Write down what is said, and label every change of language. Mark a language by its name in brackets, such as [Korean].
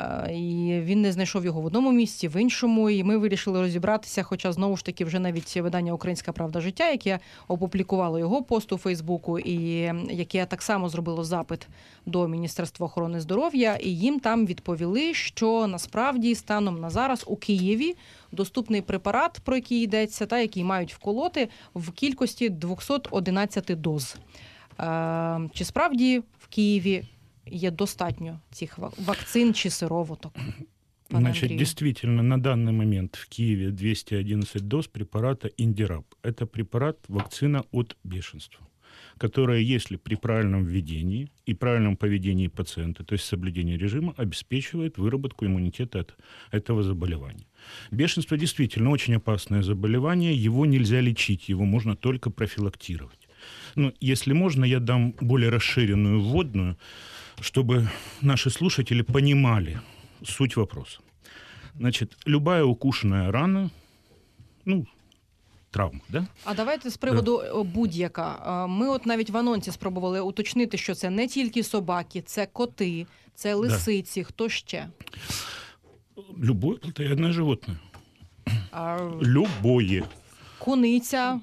[Ukrainian] І він не знайшов його в одному місці, в іншому, і ми вирішили розібратися, хоча, знову ж таки, вже навіть видання «Українська правда життя», яке опублікувало його пост у Фейсбуку, і яке так само зробило запит до Міністерства охорони здоров'я, і їм там відповіли, що насправді станом на зараз у Києві доступний препарат, про який йдеться, та який мають вколоти, в кількості 211 доз. Чи справді в Києві є достатньо цих вакцин чи сироваток? Значить, дійсно, на даний момент в Києві 211 доз препарату Індірап. Це препарат, вакцина від [Russian] бешенства, которая, если при правильном введении и правильном поведении пациента, то есть соблюдении режима, обеспечивает выработку иммунитета от этого заболевания. Бешенство действительно очень опасное заболевание, его нельзя лечить, его можно только профилактировать. Но если можно, я дам более расширенную вводную, чтобы наши слушатели понимали суть вопроса. Значит, любая укушенная рана, ну, травма, да? [Ukrainian] А давайте з приводу будь-яка. Ми от навіть в анонсі спробували уточнити, що це не тільки собаки, це коти, це лисиці, хто ще? [Russian] Любое плотоядне животне. Любое. [Ukrainian] Куниця.